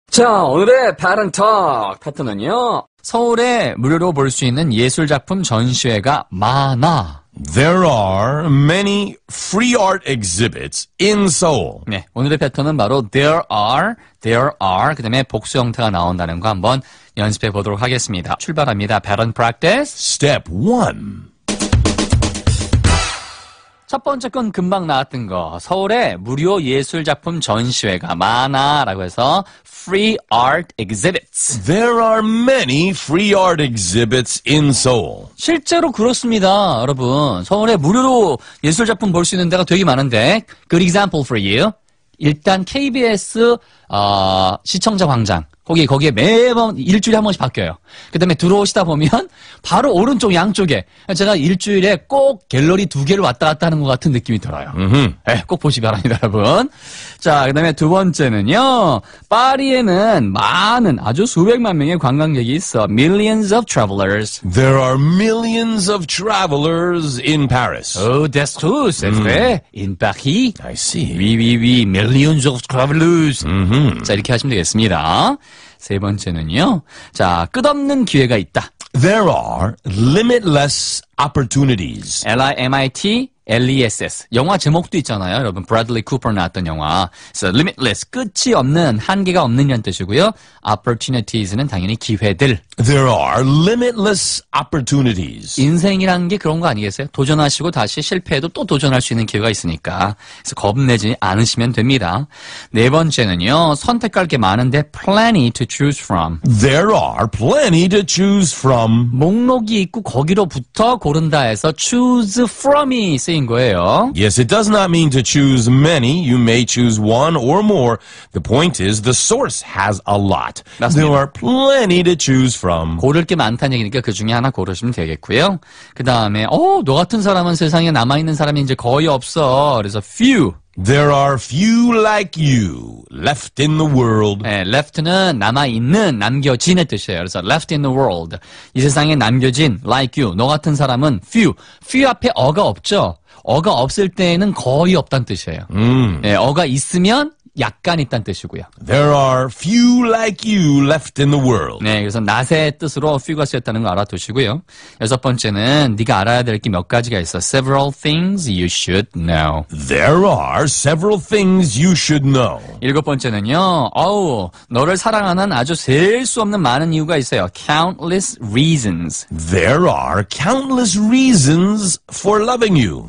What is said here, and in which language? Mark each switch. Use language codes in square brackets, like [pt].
[ko] 자, 오늘의 패턴 토크 패턴은요. 서울에 무료로 볼 수 있는 예술 작품 전시회가 많아. [en] There are many free art exhibits in Seoul. [ko] 네, 오늘의 패턴은 바로 [en] there are [ko] 그다음에 복수 형태가 나온다는 거 한번 연습해 보도록 하겠습니다. 출발합니다. [en] Pattern practice. Step 1. [ko] 첫 번째 건 금방 나왔던 거. 서울에 무료 예술 작품 전시회가 많아 라고 해서 [en] free art exhibits. There are many free art exhibits in Seoul. [ko] 실제로 그렇습니다, 여러분. 서울에 무료로 예술 작품 볼 수 있는 데가 되게 많은데. [en] Good example for you. [ko] 일단 KBS 시청자 광장. 거기에 매번 일주일에 한 번씩 바뀌어요. 그다음에 들어오시다 보면 바로 오른쪽 양쪽에 제가 일주일에 꼭 갤러리 두 개를 왔다 갔다 하는 것 같은 느낌이 들어요. 에, 꼭 보시기 바랍니다, 여러분. 자, 그다음에 두 번째는요. 파리에는 많은 아주 수백만 명의 관광객이 있어. [en] Millions of travelers. There are millions of travelers in Paris. Oh, that's true. [fr] C'est vrai. [en] In Paris. I see. Oui. Millions of travelers. [ko] 자, 이렇게 하시면 되겠습니다. 세 번째는요. 자, 끝없는 기회가 있다. [en] There are limitless opportunities. [ko] L-I-M-I-T-L-E-S-S. 영화 제목도 있잖아요. 여러분, 브래들리 쿠퍼 나왔던 영화. [en] So, limitless, [ko] 끝이 없는, 한계가 없는 이란 뜻이고요. Opportunities는 당연히 기회들. [en] There are limitless opportunities. [ko] 인생이란 게 그런 거 아니겠어요? 도전하시고 다시 실패해도 또 도전할 수 있는 기회가 있으니까. 그래서 겁내지 않으시면 됩니다. 네 번째는요. 선택할 게 많은데 [en] plenty to choose from. There are plenty to choose from. [ko] 목록이 있고 거기로부터 고른다 해서 choose from이 쓰인 거예요. [en] Yes, it does not mean to choose many. You may choose one or more. The point is the source has a lot. [ko] 맞습니다. [en] There are plenty to choose from. [ko] 고를 게 많다는 얘기니까 그 중에 하나 고르시면 되겠고요. 그 다음에 너 같은 사람은 세상에 남아있는 사람이 이제 거의 없어. 그래서 few. [en] There are few like you left in the world. [ko] 네, left는 남아있는, 남겨진의 뜻이에요. 그래서 [en] left in the world. [ko] 이 세상에 남겨진, [en] like you, [ko] 너 같은 사람은 few. few 앞에 어가 없죠. 어가 없을 때에는 거의 없다는 뜻이에요. 네, 어가 있으면 약간 있다는 뜻이고요. [en] There are few like you left in the world. [ko] 네, 그래서 not의 뜻으로 few가 쓰였다는 걸 알아두시고요. 여섯 번째는 네가 알아야 될 게 몇 가지가 있어. [en] Several things you should know. There are several things you should know. [ko] 일곱 번째는요. 어우, 너를 사랑하는 아주 셀 수 없는 많은 이유가 있어요. [en] Countless reasons. There are countless reasons for loving you.